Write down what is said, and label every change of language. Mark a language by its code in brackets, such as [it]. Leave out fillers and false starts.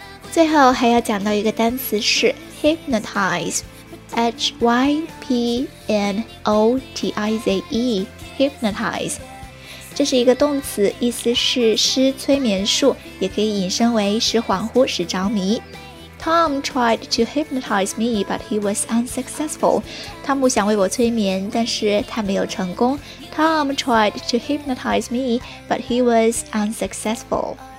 [zh] 最后还要讲到一个单词是 hypnotize,hypnotize, hypnotize。这是一个动词意思是施催眠术也可以引申为使恍惚使着迷。 [en] Tom tried to hypnotize me, but he was unsuccessful. [zh] Tom 想为我催眠，但是他没有成功。 [en] Tom tried to hypnotize me, but he was unsuccessful.